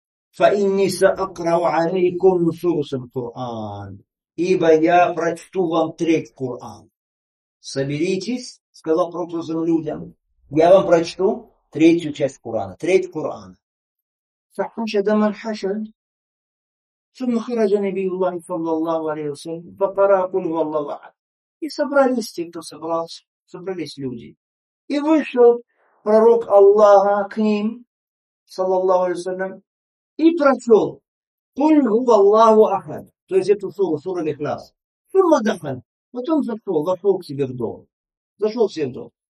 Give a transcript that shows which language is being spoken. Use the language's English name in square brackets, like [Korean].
[Arabic] فإني سأقرأ عليكم نصوص القرآن. [Russian] Ибо я прочту вам треть Коран. Соберитесь, сказал пророк своим людям. Я вам прочту третью часть Корана. Треть Корана. [Arabic] فحشد من حشد ثم خرج نبي الله صلى الله عليه وسلم فقرأ قل هو الله أحد. [Russian] И собрались те, кто собрался, собрались люди. И вышел пророк Аллаха к ним, صلى الله عليه وسلم, и прочел قل هو الله أحد. То есть эту суру, сура Ихлас. Сурма Дахан. Потом зашел, вошел к себе в дом. Зашел в себе в дом.